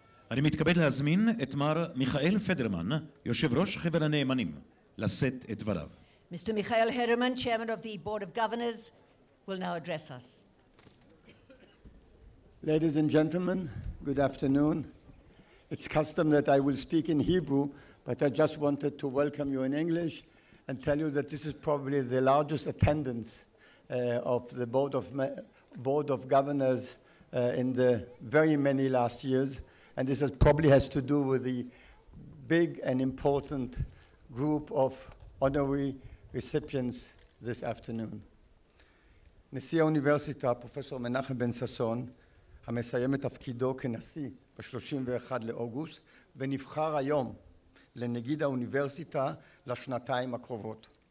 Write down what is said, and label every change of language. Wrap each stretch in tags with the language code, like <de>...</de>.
<he>אני מתכבד להזמין את מר מיכאל פדרמן, יושב ראש חבר הנאמנים, לשאת את דבריו.</he> <en>Mr. Mikhail Hederman, Chairman of the Board of Governors, will now address us. Ladies and gentlemen, good afternoon. It's custom that I will speak in Hebrew, but I just wanted to welcome you in English and tell you that this is probably the largest attendance of the Board of Governors in the very many last years, and this has probably has to do with the big and important group of honorary recipients this afternoon.</en> <he>נשיא האוניברסיטה, פרופסור מנחם בן ששון, המסיים את תפקידו כנשיא ב-31 לאוגוסט, ונבחר היום לנגיד האוניברסיטה לשנתיים הקרובות.</he>